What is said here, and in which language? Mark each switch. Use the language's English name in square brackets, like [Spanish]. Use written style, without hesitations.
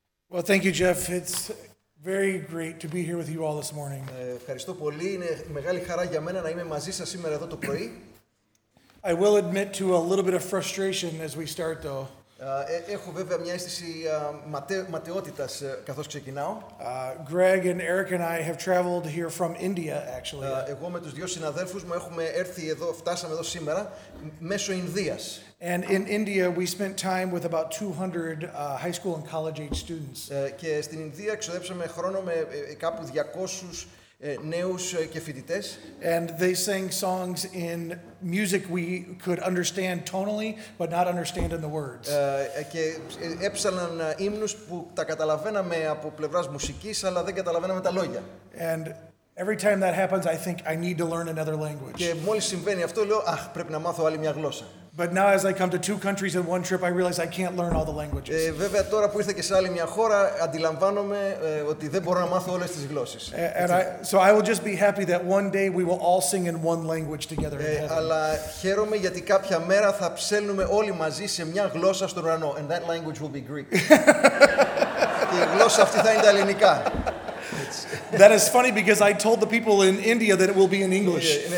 [English] Well, thank you, Jeff. It's very great to be here with you all this morning. [Greek] Ευχαριστώ πολύ. Είναι μεγάλη χαρά για μένα να είμαι μαζί σας σήμερα εδώ το πρωί. [English] I will admit to a little bit of frustration as we start, though. [Greek] Έχω βέβαια μια αίσθηση ματαιότητας καθώς ξεκινάω. [English] Greg and Eric and I have traveled here from India, actually. [Greek] Εγώ με τους δύο συναδέλφους μου έχουμε έρθει εδώ, φτάσαμε εδώ σήμερα, μέσω Ινδίας. [English] And in India, we spent time with about 200 high school and college-age students. [Greek] Και στην Ινδία εξοδέψαμε χρόνο με κάπου 200 νέους και φοιτητές. [English] And they sang songs in music we could understand tonally, but not understand in the words. [Greek] Και έψαλαν ύμνους που τα καταλαβαίναμε από πλευράς μουσικής, αλλά δεν καταλαβαίναμε τα λόγια. [English] And every time that happens, I think I need to learn another language. [Greek] Και μόλις συμβαίνει αυτό, λέω, αχ, πρέπει να μάθω άλλη μια γλώσσα. [English] But now, as I come to two countries in one trip, I realize I can't learn all the languages. [Greek] Βέβαια τώρα που ήρθα και σε άλλη μια χώρα, αντιλαμβάνομαι ότι δεν μπορώ να μάθω όλες τις γλώσσες. [English] So I will just be happy that one day we will all sing in one language together in heaven. [Greek] Αλλά χαίρομαι γιατί κάποια μέρα θα ψέλνουμε όλοι μαζί σε μια γλώσσα στον ουρανό. [English] And that language will be Greek. [Greek] Και η γλώσσα αυτή θα είναι τα ελληνικά. [English] That is funny because I told the people in India that it will be in English.